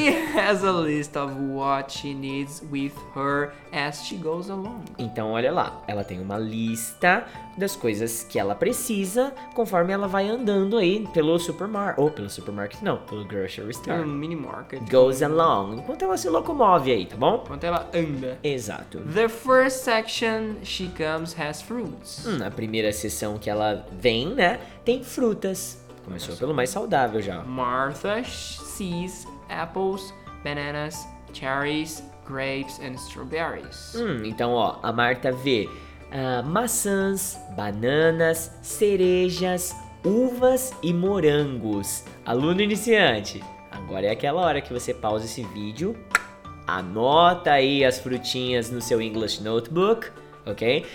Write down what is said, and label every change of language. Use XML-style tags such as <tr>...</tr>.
<en>She has a list of what she needs with her as she goes along.</en> <pt>Então, olha lá, ela tem uma lista das coisas que ela precisa conforme ela vai andando aí pelo supermarket. Ou pelo supermarket, não, pelo grocery store. Pelo mini market.</pt> <en>Goes along.</en> <pt>Enquanto ela se locomove aí, tá bom? Enquanto ela anda. Exato.</pt> <en>The first section she comes has fruits.</en> <pt>Na primeira seção que ela vem, né? Tem frutas. Começou pelo mais saudável já.</pt> <en>Martha sees apples, bananas, cherries, grapes and strawberries.</en> <pt>Então ó, a Martha vê maçãs, bananas, cerejas, uvas e morangos. Aluno iniciante, agora é aquela hora que você pausa esse vídeo, anota aí as frutinhas no seu English Notebook, ok?</pt>